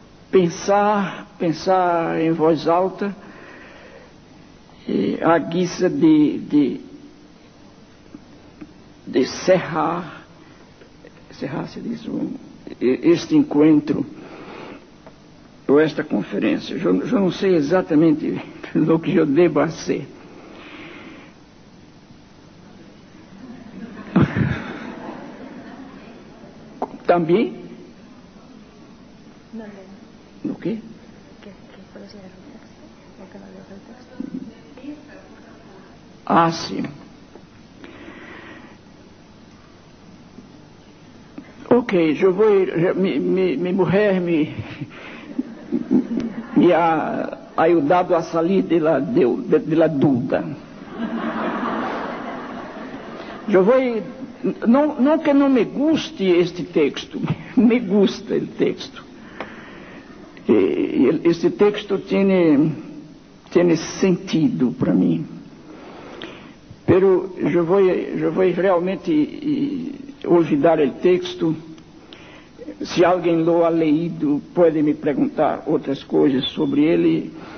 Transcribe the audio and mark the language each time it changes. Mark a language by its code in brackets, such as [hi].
[es] pensar en voz alta a guisa de cerrar [pt] se diz, este encontro ou esta conferência. Eu não sei exatamente o que eu devo fazer. Também? Não. O quê? Ah, sim. Ok, eu vou me morrer, me ha ajudado a sair de la dúvida. Eu vou, não que não me guste este texto, [es] me gusta el texto. [pt] Este texto tem sentido para mim. [es] Pero yo voy realmente olvidar el texto. Si alguien lo ha leído, puede me preguntar otras cosas sobre él.